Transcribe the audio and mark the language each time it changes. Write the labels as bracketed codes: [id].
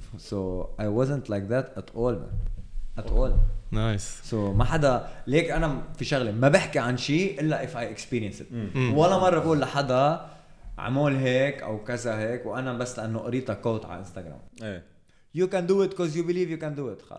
[en] So I wasn't like that at all man. At all. Nice. [ar] So ما حدا ليك أنا في شغلة ما بحكي عن شيء إلا [en] if I experience it. [ar] ولا مرة بقول لحدا عمول هيك أو كذا هيك وأنا بس لأنه قريتها كوت على إنستغرام. إيه. [en] You can do it because you believe you can do it.